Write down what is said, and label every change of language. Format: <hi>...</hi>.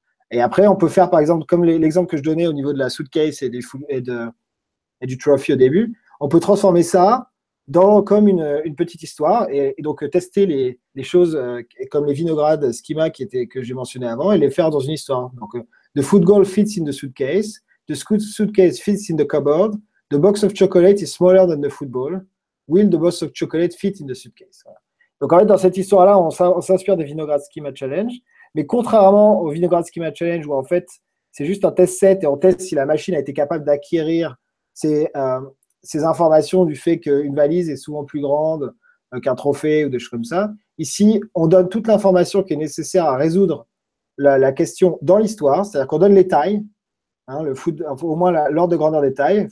<fr>Et après, on peut faire, par exemple, comme l'exemple que je donnais au niveau de la suitcase et du trophy au début, on peut transformer ça comme une petite histoire et donc tester les choses comme les vinogrades schema que j'ai mentionné avant et les faire dans une histoire. Donc,</fr> <en>the football fits in the suitcase, the suitcase fits in the cupboard, the box of chocolate is smaller than the football, will the box of chocolate fit in the suitcase?</en> <fr>Voilà. Donc, en fait, dans cette histoire-là, on s'inspire des Vinograd Schema Challenge, mais contrairement au Vinograd Schema Challenge où, en fait, c'est juste un test set et on teste si la machine a été capable d'acquérir ces informations du fait qu'une valise est souvent plus grande qu'un trophée ou des choses comme ça, ici, on donne toute l'information qui est nécessaire à résoudre la question dans l'histoire, c'est-à-dire qu'on donne les tailles, hein, au moins l'ordre de grandeur des tailles.</fr>